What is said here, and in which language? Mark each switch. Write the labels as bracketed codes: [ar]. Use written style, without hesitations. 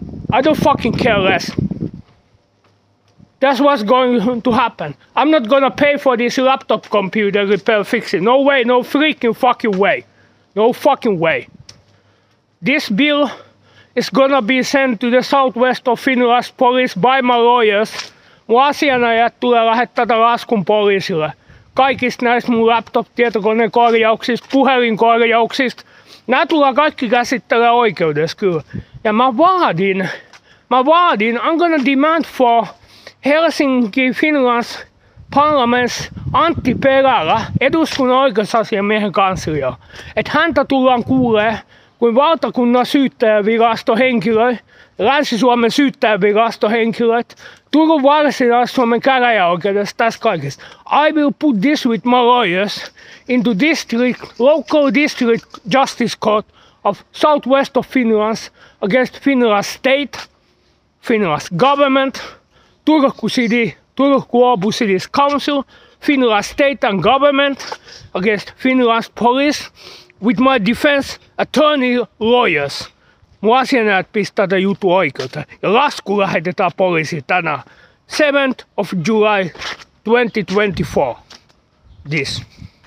[en] I don't fucking care less. That's what's going to happen. I'm not gonna pay for this laptop computer repair fixing. No way, no freaking fucking way. No fucking way. This bill is gonna be sent to the southwest of Finland's police by my lawyers. [fi] Mun asianajat tulee lähettää tätä laskun poliisille. Kaikista näistä mun laptop-tietokonekorjauksista, puhelinkorjauksista. Nää tulee kaikki käsittelemään oikeudessa kyllä. Ja mä vaadin, [en] I'm gonna demand for Helsinki, Finland's parliament's Antti Perälä, [fi] eduskunnan oikeusasiamiehen kanslia. Että häntä tullaan kuulee, kun valtakunnan syyttäjävirastohenkilöt, Länsi-Suomen syyttäjävirastohenkilöt, Turun Varsinais-Suomen käräjäoikeudessa, tässä kaikessa. [en] I will put this with my lawyers into district, local district justice court of southwest of Finland against Finland state, Finland government, Turku City, Turku-Obu City Council, Finland state and government against Finland police with my defense attorney lawyers. [fi] Mun asianajat pistää tämän jutun oikeuteen. Ja lasku lähetetään poliisiin tänään. [en] 7th of July 2024. This.